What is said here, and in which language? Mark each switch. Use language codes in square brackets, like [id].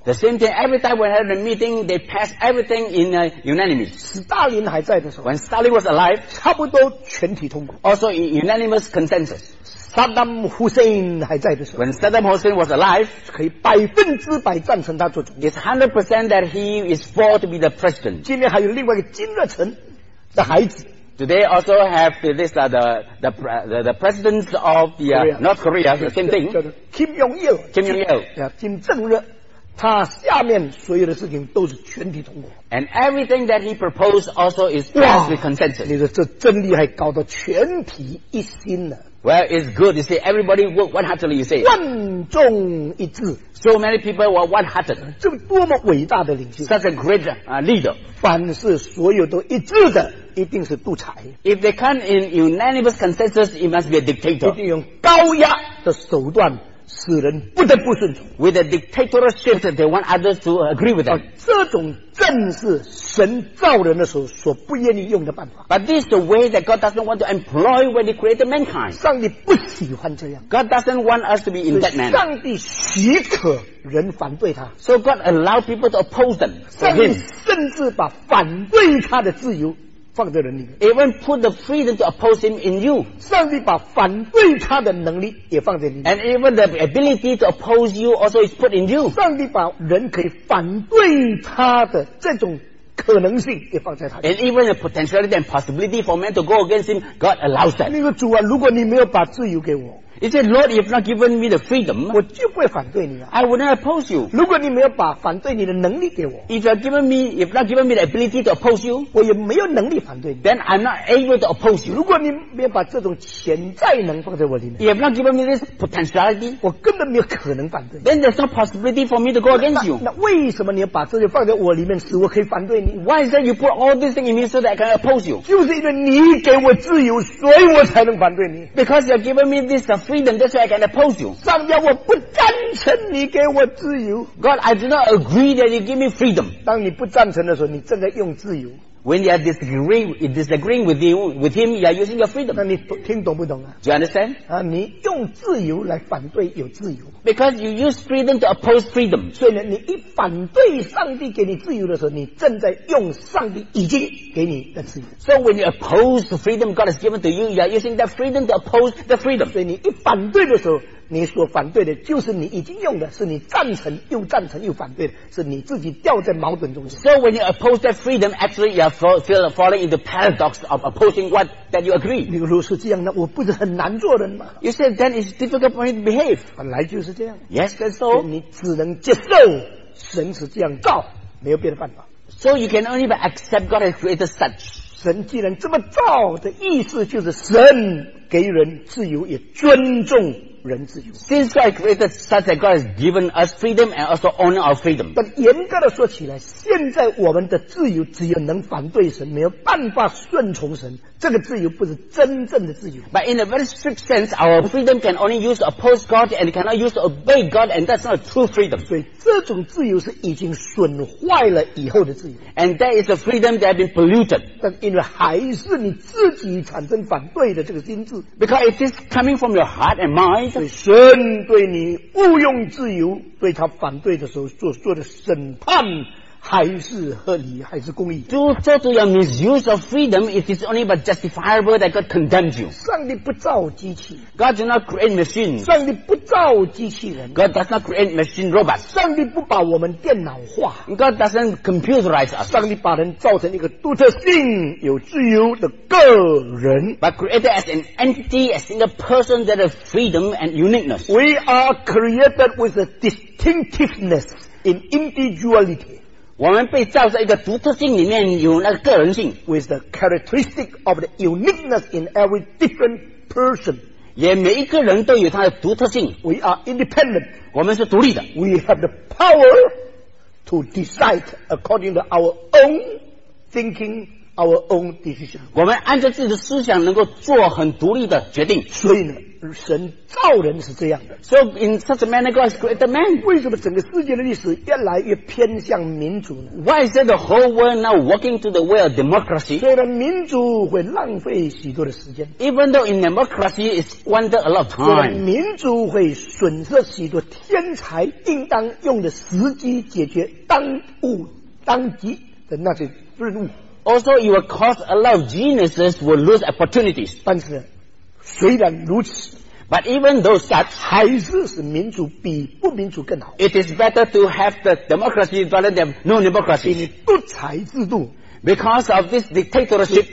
[en] The same thing every time when had a meeting, they passed everything in unanimous. [zh] 斯大林还在的时候 [en] ，When Stalin was alive, [zh] 差不多全体通过。 [en] Also in unanimous consensus. [zh] Saddam Hussein 还在的时候 [en] ，When Saddam Hussein was alive, [zh] 可以百分之百赞成他做总统。 [en] It's 100% that he is for to be the president. [zh] 今天还有另外一个金日成的孩子。 [en] Today also have this the president of the North Korea, the same thing. Kim Jong Il. Kim Jong Il. Kim Jong Il. [zh] 他下面所有的事情都是全体通过。 [en] And everything that he proposed also is passed with consensus. [zh] 你说这真厉害，搞得全体一心了。 [en] Well, it's good. You see, everybody work one-heartedly, you say. [zh] 万众一致。 [en] So many people were one-hearted. [zh] 这多么伟大的领袖。 [en] Such a great leader. [zh] 凡是所有都一致的，一定是独裁。 [en] If they come in unanimous consensus, it must be a dictator. [zh] 一定用高压的手段使人不得不顺从。 [en] With a dictatorship, they want others to agree with them. [zh] 这种正是神造人的时候所不愿意用的办法。 [en] But this is the way that God doesn't want to employ when He created mankind. [zh] 上帝不喜欢这样。 [en] God doesn't want us to be in that manner. [zh] 上帝许可人反对他。 [en] So God allowed people to oppose them. [zh] 上帝甚至把反对他的自由放在人里面。 [en] Even put the freedom to oppose him in you. [zh] 上帝把反对他的能力也放在里面。 [en] And even the ability to oppose you also is put in you. [zh] 上帝把人可以反对他的这种可能性也放在他。 [en] And even the potentiality and possibility for man to go against him, God allows that. [zh] 那个主啊，如果你没有把自由给我。 [en] He said, Lord, you have not given me the freedom. [zh] 我就不会反对你啊。 [en] I would not oppose you. [zh] 如果你没有把反对你的能力给我。 [en] If you have given me, if not given me the ability to oppose you. [zh] 我也没有能力反对你。 [en] Then I'm not able to oppose you. [zh] 如果你没有把这种潜在能放在我里面。 [en] You have not given me this potentiality. [zh] 我根本没有可能反对你。 [en] Then there's no possibility for me to go against you. [zh] 那为什么你要把这些放在我里面使我可以反对你？ [en] Why is that you put all these things in me so that I can oppose you? [zh] 就是因为你给我自由，所以我才能反对你。 [en] Because you have given me this freedom, that's why I can oppose you. [zh] 上帝，我不赞成你给我自由。 [en] God, I do not agree that you give me freedom. [zh] 当你不赞成的时候，你正在用自由。 [en] When you are disagreeing with you, with him, you are using your freedom. [zh] 那你听懂不懂啊？ [en] Do you understand? [zh] 啊，你用自由来反对有自由。 [en] Because you use freedom to oppose freedom. [zh] 所以呢，你一反对上帝给你自由的时候，你正在用上帝已经给你的自由。 [en] So when you oppose the freedom God has given to you, you are using that freedom to oppose the freedom. [zh] 所以你一反对的时候，你所反对的就是你已经用的，是你赞成又赞成又反对的，是你自己掉在矛盾中间。 [en] So when you oppose that freedom, actually you are falling into paradox of opposing what that you agree. [zh] 你如果是这样，那我不是很难做人吗？ [en] You said then it's difficult for me to behave. [zh] 本来就是这样。 [en] Yes, that's so. [zh] 你只能接受神是这样造，没有别的办法。 [en] So you can only but accept God has created such. [zh] 神既然这么造的意思就是神给人自由，也尊重人自由。 [en] Since God created such that God has given us freedom and also honor our freedom. [zh] 但严格的说起来，现在我们的自由只有能反对神，没有办法顺从神，这个自由不是真正的自由。 [en] But in a very strict sense, our freedom can only use to oppose God and cannot use to obey God, and that's not true freedom. [zh] 所以这种自由是已经损坏了以后的自由。 [en] And that is a freedom that has been polluted. [zh] 但因为还是你自己产生反对的这个心智。 [en] Because it is coming from your heart and mind. [zh] 所以神对你毋庸置疑对他反对的时候 做的审判还是合理还是公义 [en] to total your misuse of freedom it is only but justifiable that God condemns you [zh] 上帝不造机器 [en] God does not create machines [zh] 上帝不造机器人 [en] God does not create machine robots [zh] 上帝不把我们电脑化 [en] God doesn't computerize us [zh] 上帝把人造成一个独特性有自由的个人 [en] but created as an entity a single person that has freedom and uniqueness we are created with a distinctiveness in individuality [zh] 我们被造在一个独特性里面有那个个人性 [en] with the characteristic of the uniqueness in every different person [zh] 也每一个人都有他的独特性 [en] we are independent [zh] 我们是独立的 [en] we have the power to decide according to our own thinking our own decision [zh] 我们按照自己的思想能够做很独立的决定所以呢神造人是这样的 [en] So in such a manner God has created man [zh] 为什么整个世界的历史越来越偏向民主呢 [en] Why is the whole world now walking to the way of democracy [zh] 虽然民主会浪费许多的时间 [en] Even though in democracy it's wander a lot of time [zh] 民主会损失许多天才应当用的时机解决当务当急的那些任务 [en] Also it will cause a lot of geniuses will lose opportunities [zh] 但是虽然如此 [en] but even though such [zh] 还是使民主比不民主更好 [en] it is better to have the democracy rather than no democracy [zh] 因为独裁制度 [en] because of this dictatorship